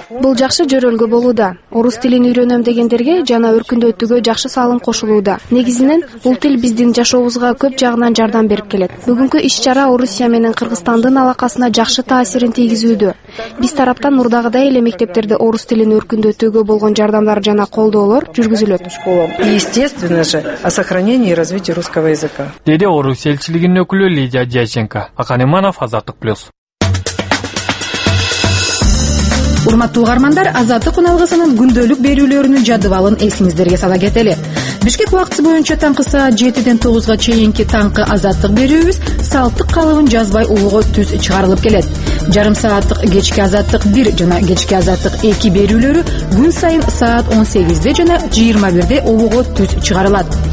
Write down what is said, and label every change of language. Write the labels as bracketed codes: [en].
[ky] Бул жакшы жөрөлгө болууда. Орус тилин үйрөнөм дегендерге жана өркүндөтүүгө жакшы салым кошулууда. Негизинен бул тил биздин жашообузга көп жагынан жардам берип келет. Бүгүнкү иш-чара Орусия менен Кыргызстандын алакасына жакшы таасирин тийгизүүдө. Биз тараптан мурдагыдай эле мектептерде орус тилин өркүндөтүүгө болгон жардамдар жана колдоолор жүргүзүлөт. [ru] Естественно же, о сохранении и развитии русского языка. [ky] Деди Орус элчилигинин өкүлү Лидия Дьяченко. Акан Иманов, Азаттык Плюс. Урматтуу угармандар, Азаттык уналгысынын күндөлүк берүүлөрүнүн жадыбалын эсиңиздерге сала кетели. Бишкек убактысы боюнча таңкы саат 7-ден 9-га чейинки таңкы азаттык берүүбүз салттык калыбын жазбай улууга түз чыгарылып келет. Жарым сааттык кечки азаттык 1 жана кечки азаттык 2 берүүлөрү күн сайын саат 18:00 жана 21:00 улууга түз чыгарылат.